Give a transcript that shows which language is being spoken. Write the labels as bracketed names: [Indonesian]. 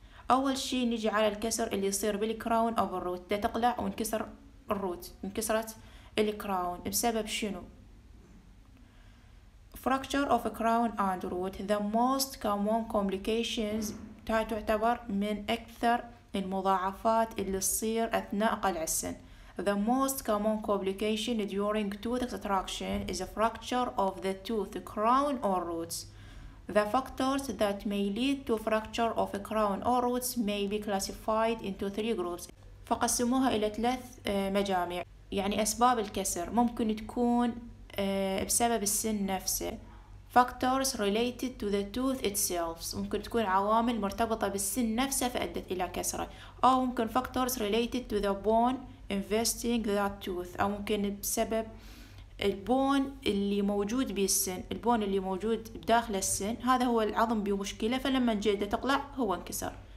[Arabic] أول شيء نجي على الكسر اللي يصير بالكراون أو بالروت، ده تقلع ونكسر الروت، انكسرت الكراون بسبب شنو؟ [English] fracture of a crown and root the most common complications، [Arabic] تعتبر من أكثر المضاعفات اللي تصير أثناء قلع السن. [English] the most common complication during tooth extraction is a fracture of the tooth crown or roots. the factors that may lead to fracture of a crown or roots may be classified into three groups. [Arabic] فقسموها إلى 3 مجاميع. يعني أسباب الكسر ممكن تكون بسبب السن نفسه، [English] factors related to the tooth itself، [Arabic] ممكن تكون عوامل مرتبطة بالسن نفسه فأدت إلى كسره، أو ممكن [English] factors related to the bone investing that tooth، [Arabic] أو ممكن بسبب البون اللي موجود بالسن، البون اللي موجود بداخل السن هذا هو العظم بمشكلة، فلما الجلدة تطلع هو انكسر.